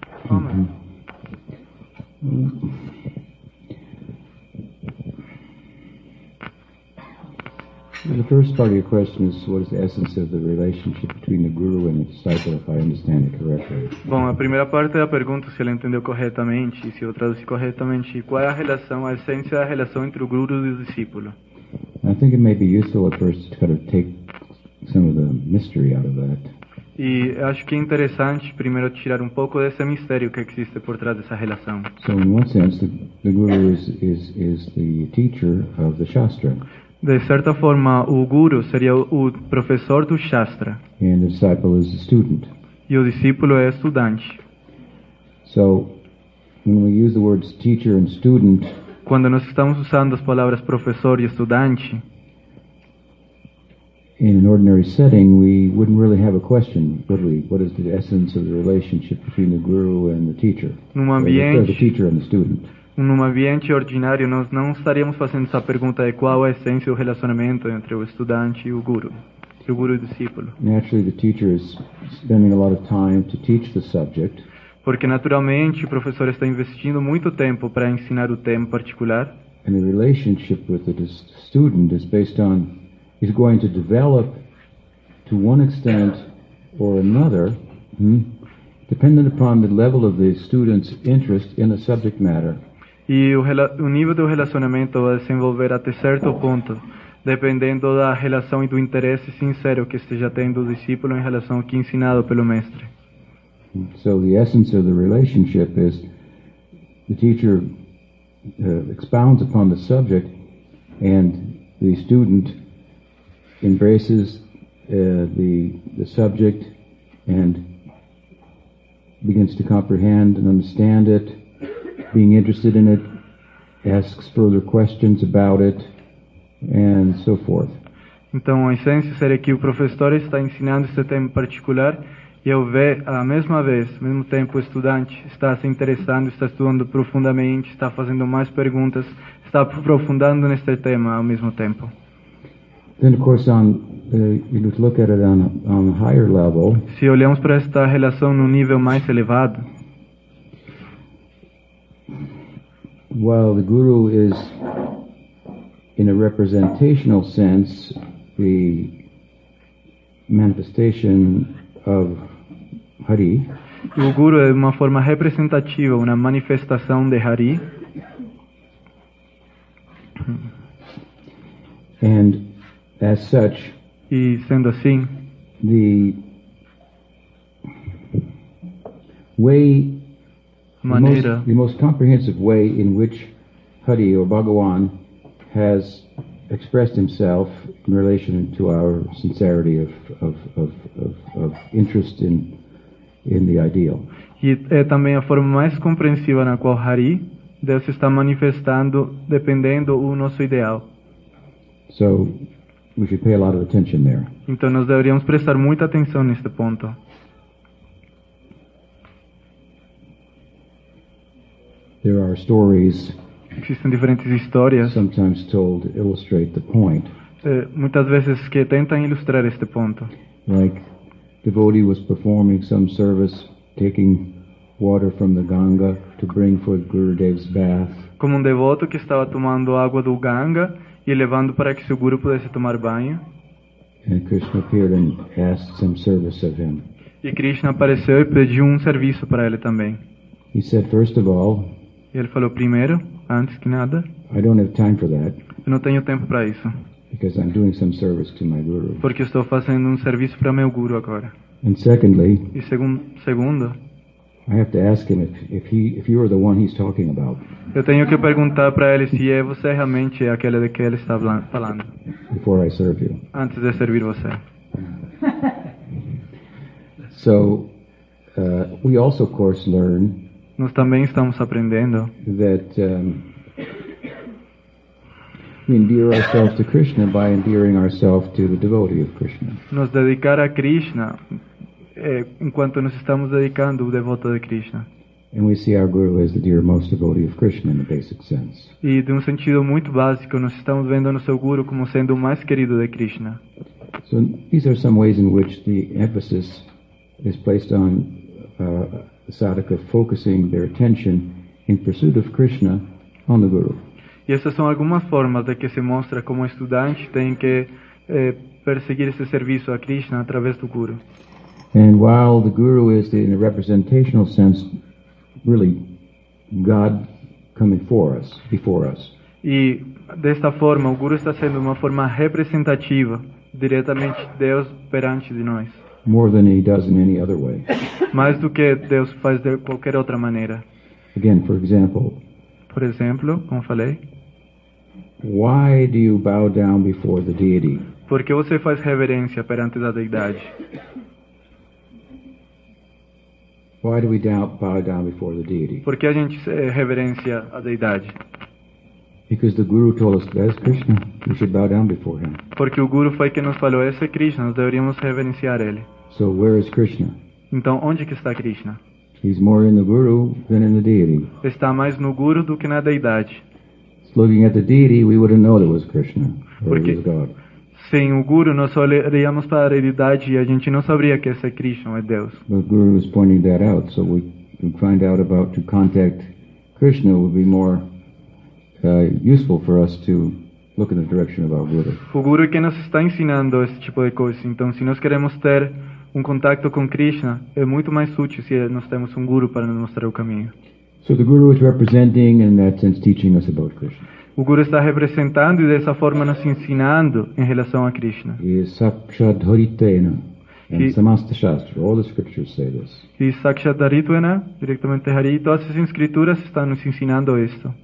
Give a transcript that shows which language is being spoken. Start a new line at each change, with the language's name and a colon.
English: Amen. The first part of your question is what is the essence of the relationship between the guru and the disciple, if I understand it correctly.
Portuguese: Bom, a primeira parte da pergunta, se ela entendeu corretamente, se eu traduzi corretamente, qual é a relação, a essência da relação entre o guru e o discípulo?
English: I think it may be useful at first to kind of take some of the mystery out of that.
Portuguese: E acho que é interessante primeiro tirar um pouco desse mistério que existe por trás dessa relação.
English: So in one sense, the guru is the teacher of the shastra.
Portuguese: De certa forma, o guru seria o professor do Shastra.
English: And the disciple is a student.
Portuguese: E o discípulo é estudante.
English: So, when we use the words teacher and student,
Portuguese: quando nós estamos usando as palavras professor e estudante,
English: in an ordinary setting, we wouldn't really have a question, would we? What is the essence of the relationship between the guru and the teacher?
Portuguese: Num ambiente,
English: the teacher and the student.
Portuguese: Num ambiente ordinário, nós não estaríamos fazendo essa pergunta de qual é a essência do relacionamento entre o estudante e o guru, entre o guru e o discípulo.
English: Naturally, the teacher is spending a lot of time to teach the subject.
Portuguese: Porque naturalmente o professor está investindo muito tempo para ensinar o tema particular.
English: And the relationship with the student is based on he's going to develop to one extent or another. Dependent upon the level of the student's interest in the subject matter.
Portuguese: E o nível do relacionamento vai desenvolver até certo ponto, dependendo da relação e do interesse sincero que esteja tendo o discípulo em relação ao que é ensinado pelo mestre.
English: So the essence of the relationship is the teacher expounds upon the subject and the student embraces the subject and begins to comprehend and understand it, being interested in it, asks further questions about it, and so forth.
Portuguese: Então, a essência seria que o professor está ensinando esse tema em particular e eu vê, à mesma vez, ao mesmo tempo, o estudante está se interessando, está estudando profundamente, está fazendo mais perguntas, está aprofundando neste tema ao mesmo tempo.
English: Then, of course, you would look at it on a higher level.
Portuguese: Se olhamos para esta relação num nível mais elevado,
English: while the guru is, in a representational sense, the manifestation of Hari.
Portuguese: O guru é uma forma representativa, uma manifestação de Hari.
English: And as such,
Portuguese: e sendo assim,
English: the way,
Portuguese: maneira,
English: the most comprehensive way in which Hari or Bhagawan has expressed himself in relation to our sincerity of interest in the ideal.
Portuguese: E é também a forma mais compreensiva na qual Hari deve se estar manifestando dependendo o nosso ideal.
English: So we should pay a lot of attention there.
Portuguese: Então nós deveríamos prestar muita atenção neste ponto.
English: There are stories.
Portuguese: Existem diferentes histórias.
English: Sometimes told to illustrate the point.
Portuguese: Muitas vezes que tentam ilustrar este ponto.
English: Like devotee was performing some service, taking water from the Ganga to bring for Gurudev's bath.
Portuguese: Como devoto que estava tomando água do Ganga e levando para que seu guru pudesse tomar banho.
English: And Krishna appeared and asked some service of him.
Portuguese: E Krishna apareceu e pediu serviço para ele também.
English: He said, first of all,
Portuguese: ele falou primeiro, antes que nada,
English: I don't have time for that.
Portuguese: Eu não tenho tempo para isso.
English: Because I'm doing some service to my guru.
Portuguese: Porque estou fazendo serviço para meu guru agora.
English: And secondly,
Portuguese: e segundo,
English: I have to ask him if you are the one he's talking about.
Portuguese: Eu tenho que perguntar para ele se é você realmente aquele de que ele está falando.
English: Before I serve you.
Portuguese: Antes de servir você.
English: So, we also, of course, learn.
Portuguese: Nós também estamos aprendendo.
English: That we endear ourselves to Krishna by endearing ourselves to the devotee of Krishna.
Portuguese: Nos dedicar a Krishna enquanto nos estamos dedicando ao devoto de Krishna.
English: And we see our guru as the dearmost devotee of Krishna in the basic sense.
Portuguese: E de sentido muito básico, nós estamos vendo nosso guru como sendo o mais querido de Krishna.
English: So these are some ways in which the emphasis is placed on sadhaka focusing their attention in pursuit of Krishna on the guru.
Portuguese: E essas são algumas formas de que se mostra como estudante tem que perseguir esse serviço a Krishna através do guru.
English: And while the guru is, in a representational sense, really God coming for us, before us.
Portuguese: E desta forma, o guru está sendo uma forma representativa, diretamente Deus perante de nós.
English: More than he does in any other way.
Portuguese: Mais do que Deus faz de qualquer outra maneira.
English: Again, for example.
Portuguese: Por exemplo, como falei.
English: Why do you bow down before the deity?
Portuguese: Por que você faz reverência perante da deidade?
English: Why do we bow down before the deity?
Portuguese: Por que a gente reverencia a deidade?
English: Because the guru told us that is Krishna, we should bow down before him.
Portuguese: Porque o guru foi quem nos falou, esse é Krishna, nós deveríamos reverenciar ele.
English: So where is Krishna?
Portuguese: Então onde que está Krishna?
English: He's more in the guru than in the deity.
Portuguese: Está mais no guru do que na deidade.
English: Looking at the deity, we wouldn't know that it was Krishna or it was God.
Portuguese: Sem o guru, nós olharíamos para a deidade e a gente não sabria que esse é Krishna ou é Deus.
English: But guru is pointing that out, so we can find out about to contact Krishna would be more useful for us to look in the direction of our guru.
Portuguese: O guru é quem nos está ensinando esse tipo de coisa. Então, se nós queremos ter contato com Krishna, é muito mais útil se nós temos guru para nos mostrar o caminho.
English: So the guru is representing and in that sense teaching us about Krishna.
Portuguese: O guru está representando e dessa forma nos ensinando em relação a Krishna.
English: He is Sakshadharitena. And Samasta Shastra, all the scriptures say this.
Portuguese: E Sakshadharitena, directamente Hari, todas as escrituras estão nos ensinando isto.